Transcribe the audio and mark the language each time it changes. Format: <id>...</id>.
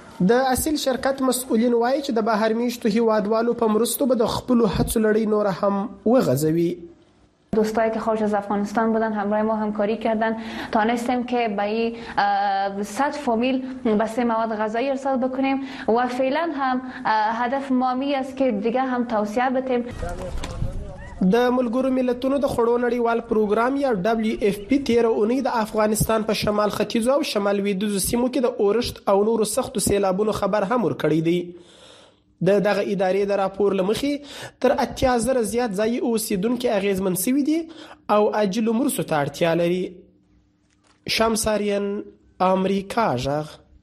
<ps>د اصل شرکت مسؤلین وایي چې د بهر میشتو هیوادوالو په مرستو به د خپلو هڅو لړۍ نور هم وغځوي</ps> <fa>دوستایی که خارج از افغانستان بودن همراه ما همکاری کردن تانستیم که به 100 فامیل بسته مواد غذایی ارسال بکنیم و فعلا هم هدف مامی است که دیگه هم توصیه بتیم</fa> <ps>د ملګرو ملتونو د خوړو نړیوال پروګرام یا WFP 13 اونۍ د افغانستان په شمال ختیځ او شمال لویدیځ سیمو کې د اورښت او نورو سختو سیلابونو خبر هم ورکړی دی د دغه ادارې د راپور لمخي تر 80,000 زیات ځایي اوسیدونکو اغیزمن شوی دی او اجل مرستو ته اړتیا لري شمساریان امریکا ژغ</ps>